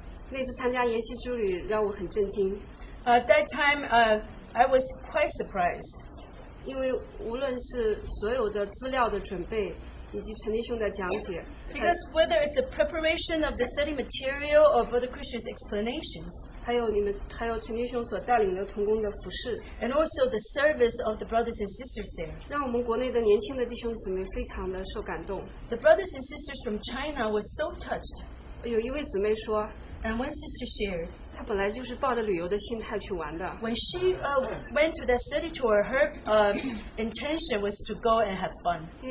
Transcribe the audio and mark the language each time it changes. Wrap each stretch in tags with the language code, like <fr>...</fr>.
<zh>那次参加耶西之旅让我很震惊,</zh> <en>at that time I was quite surprised.</en> <zh>因为无论是所有的资料的准备,</zh> <en>because whether it's the preparation of the study material or Brother Christian's explanation,</en> <zh>还有陈弟兄所带领的同工的服饰,</zh> <en>and also the service of the brothers and sisters there,</en> <zh>让我们国内的年轻的弟兄姊妹非常的受感动。</zh> <en>The brothers and sisters from China were so touched.</en> <zh>有一位姊妹说,</zh> <en>and one sister shared, when she went to that study tour, her intention was to go and have fun.</en>